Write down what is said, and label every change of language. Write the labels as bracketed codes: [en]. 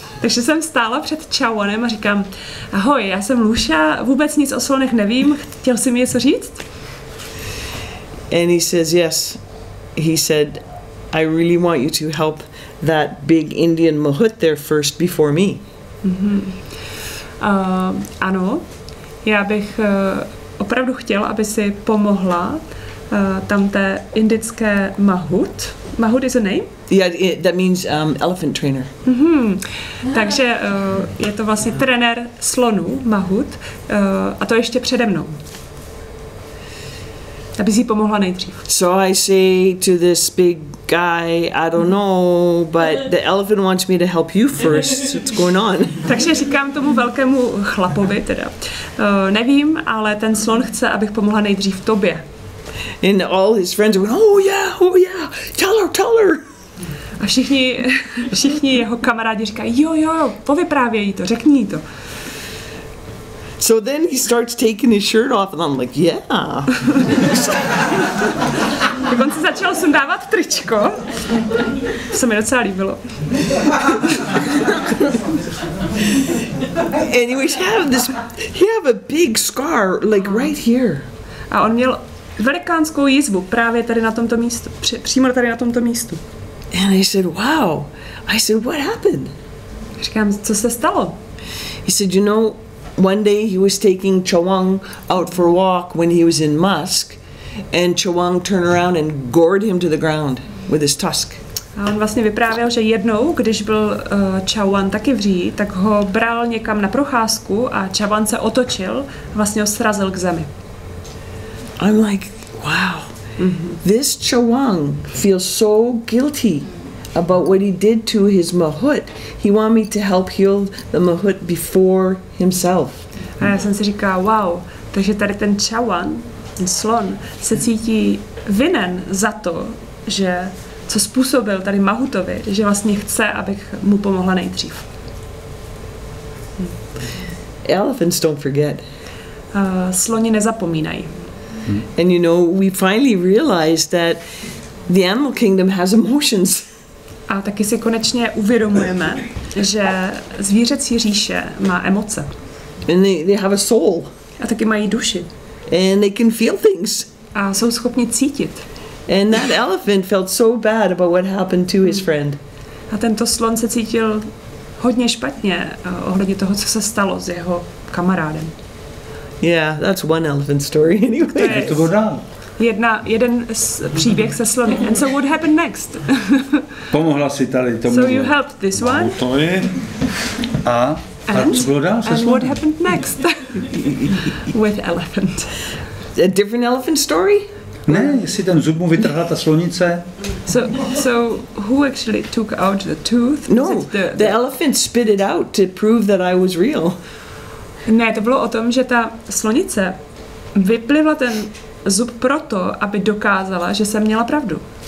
[cs] Takže jsem stála před Chawangem a říkám, ahoj, já jsem Lucia, vůbec nic o slonech nevím, chtěl jsi mi něco říct? [en] And he says, yes, he said, I really want you to help that big Indian mahout there first before me. Mm-hmm. [cs] Ano, já bych opravdu chtěla, aby si pomohla tamte indické mahout. [en] Mahout is a name? Yeah, that means elephant trainer. Mm-hmm. [cs] Takže je to vlastně trenér slonů, mahout, a to ještě přede mnou. Aby si pomohla nejdřív. [en] So I say to this big guy, I don't know, but the elephant wants me to help you first. What's going on? [cs] Takže říkám tomu velkému chlapovi teda. Nevím, ale ten slon chce, abych pomohla nejdřív tobě. [en] And all his friends are going, oh yeah, tell her. [cs] A všichni jeho kamarádi říkají, jo, povyprávěj jí to, řekni jí to. [en] So then he starts taking his shirt off and I'm like, yeah. [cs] On se začal sundávat tričko. To se mi docela líbilo. [en] And he have a big scar, like right here. [cs] A on měl velikánskou jizvu právě tady na tomto místu, přímo tady na tomto místu. [en] And I said, wow. I said, what happened? [cs] Říkám, co se stalo? [en] He said, you know, one day he was taking Chawang out for a walk when he was in Musk, and Chawang turned around and gored him to the ground with his tusk. [cs] A on vlastně vyprávěl, že jednou, když byl Chawang taky v Říji, tak ho bral někam na procházku a Chawang se otočil, vlastně ho srazil k zemi. [en] I'm like, wow, This Chawang feels so guilty about what he did to his mahout. He wanted me to help heal the mahout before himself. [cs] A já jsem si říkala, wow, takže tady ten Chawang, ten slon, se cítí vinen za to, že co způsobil tady mahutovi, že vlastně chce, abych mu pomohla nejdřív. [en] Elephants don't forget. [cs] Sloni nezapomínají. [en] And you know, we finally realized that the animal kingdom has emotions. [cs] A taky si konečně uvědomujeme, že zvířecí říše má emoce. [en] And they have a soul. [cs] A taky mají duši. [en] And they can feel things. [cs] A jsou schopni cítit. [en] And that elephant felt so bad about what happened to his friend. [cs] A tento slon se cítil hodně špatně ohledně toho, co se stalo s jeho kamarádem. [en] Yeah, that's one elephant story anyway. [cs] Je to voda. Jeden příběh se slony. [en] And so what happened next? [cs] Pomohla si tady tomu. [en] So you helped this one? [cs] To je. A co bylo dál se slony? [en] What happened next? With elephant. A different elephant story? [cs] Ne, jestli ten zub mu vytrhla ta slonice. [en] So who actually took out the tooth? No, the elephant spit it out to prove that I was real. [cs] Ne, to bylo o tom, že ta slonice vyplivla ten zub proto, aby dokázala, že jsem měla pravdu.